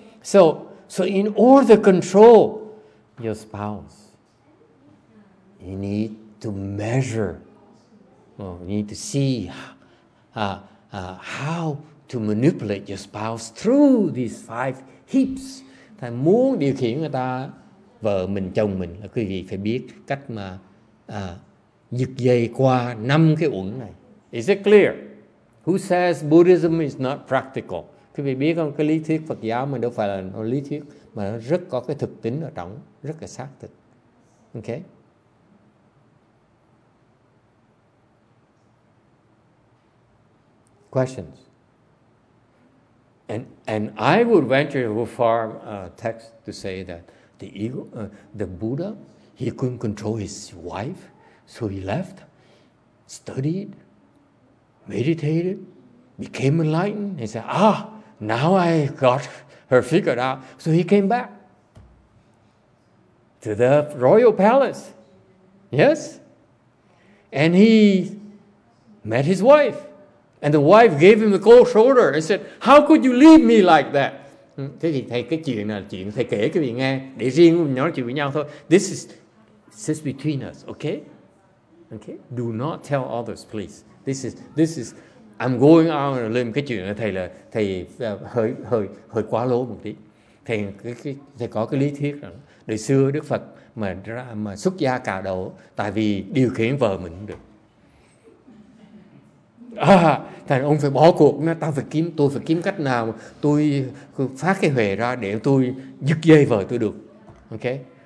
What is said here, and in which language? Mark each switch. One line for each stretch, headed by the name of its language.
English: So in order to control your spouse, you need to measure. Well, you need to see how to manipulate your spouse through these five heaps.
Vietnamese: Thầy muốn điều khiển người ta, vợ mình, chồng mình, là quý vị phải biết cách mà giật dây qua năm cái uẩn này.
English: Is it clear? Who says Buddhism is not practical?
Vietnamese: Quý vị biết không, cái lý thuyết Phật giáo mình đâu phải là lý thuyết, mà nó rất có cái thực tính ở trong, rất là xác thực.
English: Okay? Questions. And I would venture a far text to say that the ego, the Buddha, he couldn't control his wife, so he left, studied, meditated, became enlightened. He said, now I got her figured out. So he came back to the royal palace. Yes? And he met his wife. And the wife gave him a cold shoulder and said, how could you leave me like that?
Vietnamese: Thế thì thầy, cái chuyện này là chuyện thầy kể quý vị nghe, để riêng mình nói chuyện với nhau thôi.
English: This is just between us, okay? Okay? Do not tell others, please. This is, I'm going out on a limb.
Vietnamese: Cái chuyện này thầy là, thầy hơi quá lố một tí. Thầy có cái lý thuyết rằng, đời xưa Đức Phật mà xuất gia cạo đầu, tại vì điều khiển vợ mình cũng được. Thầy ông phải bỏ cuộc, tôi phải kiếm cách nào tôi phát cái huệ ra để tôi dứt dây vợ tôi được. Okay?